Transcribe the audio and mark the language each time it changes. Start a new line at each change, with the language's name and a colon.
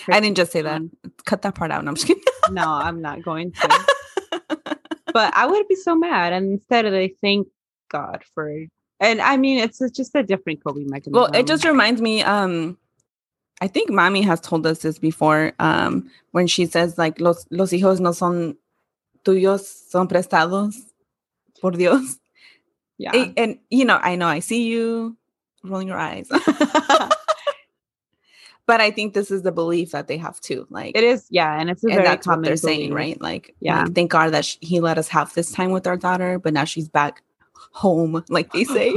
English: her? I didn't just say that. Cut that part out. No, I'm just kidding. No, I'm not going to. But I would be so mad. And instead, they thank God for. And I mean, it's just a different coping mechanism. Well, it just reminds me. I think Mommy has told us this before. When she says, like,
Spanish: los hijos no son tuyos, son prestados por Dios.
English: Yeah. And, you know, I see you rolling your eyes. But I think this is the belief that they have too. Like, it is. Yeah. And it's a very common belief. They're saying, right? Like, thank God that he let us have this time with our daughter, but now she's back home, like they say.